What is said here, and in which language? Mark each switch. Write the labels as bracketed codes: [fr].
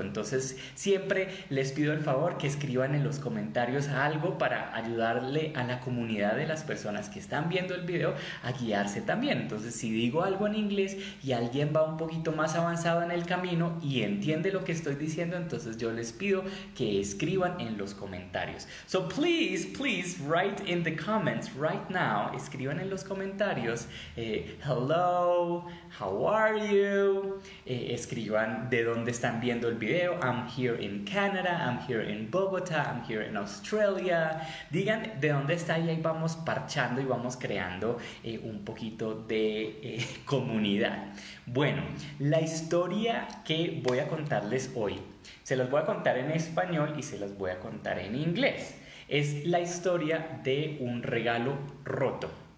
[es] Entonces siempre les pido el favor que escriban en los comentarios algo para ayudarle a la comunidad de las personas que están viendo el video a guiarse también. Entonces si digo algo en inglés y alguien va un poquito más avanzado en el camino y entiende lo que estoy diciendo, entonces yo les pido que escriban en los comentarios. [en] So please, please write in the comments right now. [es] Escriban en los comentarios [en] hello, how are you? [es] Escriban de dónde están viendo el video. [en] I'm here in Canada, I'm here in Bogotá, I'm here in Australia. [es] Digan de dónde está y ahí vamos parchando y vamos creando un poquito de comunidad. Bueno, la historia que voy a contarles hoy, se las voy a contar en español y se las voy a contar en inglés. Es la historia de un regalo roto.